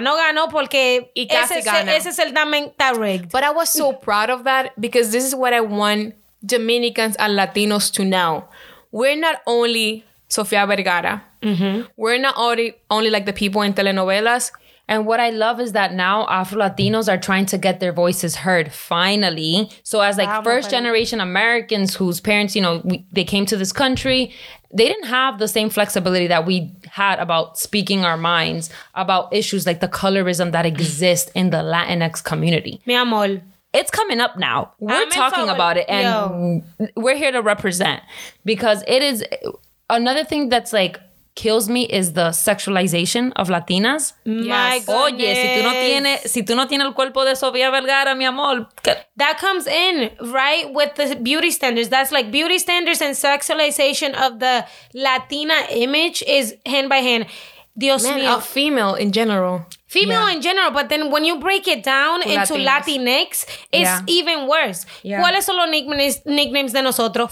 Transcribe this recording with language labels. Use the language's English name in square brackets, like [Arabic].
[Spanish] No ganó porque ese es el damenta rigged. [English] But I was so proud of that, because this is what I want Dominicans and Latinos to know. We're not only Sofia Vergara. Mm-hmm. We're not only like the people in telenovelas. And what I love is that now Afro-Latinos are trying to get their voices heard, finally. So as like first-generation Americans whose parents, you know, they came to this country, they didn't have the same flexibility that we had about speaking our minds about issues like the colorism that exists in the Latinx community. [Spanish] Mi amor. [English] It's coming up now. We're talking about it. And we're here to represent. Because it is... Another thing that's like kills me is the sexualization of Latinas. Yes. My goodness. [Spanish] Oye, si tú no tienes el cuerpo de Sofía Vergara, mi amor. [English] That comes in, right, with the beauty standards. That's like beauty standards and sexualization of the Latina image is hand by hand. [Spanish] Dios [English] Man, [Spanish] mío. [English] A female in general. Female in general, but then when you break it down into Latinx, it's even worse. Yeah. [Spanish] ¿Cuáles son los nicknames de nosotros?